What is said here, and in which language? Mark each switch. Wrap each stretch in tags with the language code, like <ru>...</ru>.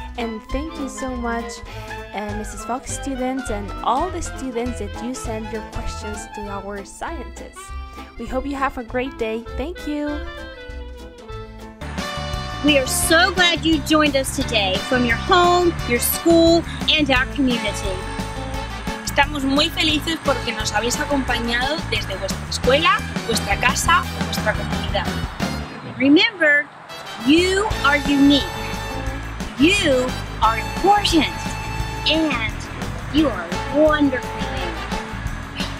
<en>And thank you so much, Mrs. Fox students, and all the students that you send your questions to our scientists. We hope you have a great day. Thank you! We are so glad you joined us today from your home, your school, and our community.</en> <es>Estamos muy felices porque nos habéis acompañado desde vuestra escuela, vuestra casa, vuestra comunidad.</es> <en>Remember, you are unique, you are important, and you are wonderfully made.</en>